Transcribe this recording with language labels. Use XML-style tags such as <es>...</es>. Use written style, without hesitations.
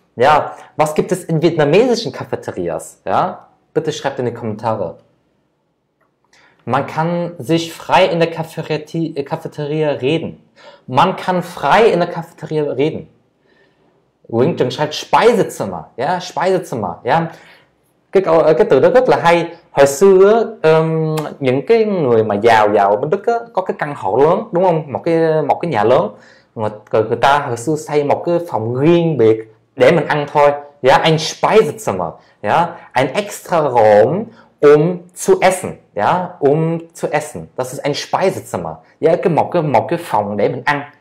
<de>Ja, was gibt es in vietnamesischen Cafeterias? Ja, bitte schreibt in die Kommentare. Man kann sich frei in der Cafeteria reden. Man kann frei in der Cafeteria reden. Wing Chun schreibt Speisezimmer, ja, Speisezimmer, ja.</de> <vi>Cái từ đó rất là hay. Hồi xưa những cái người mà giàu giàu ở bên Đức á, có cái căn hộ lớn đúng không? Một cái nhà lớn mà người ta hồi xưa xây một cái phòng riêng biệt để mình ăn thôi.</vi> <de>Ja, ein Speisezimmer, ja, ein extra Raum um zu essen, ja, um zu essen. Das ist ein Speisezimmer.</de> <vi>Ja, một cái phòng để mình ăn.</vi>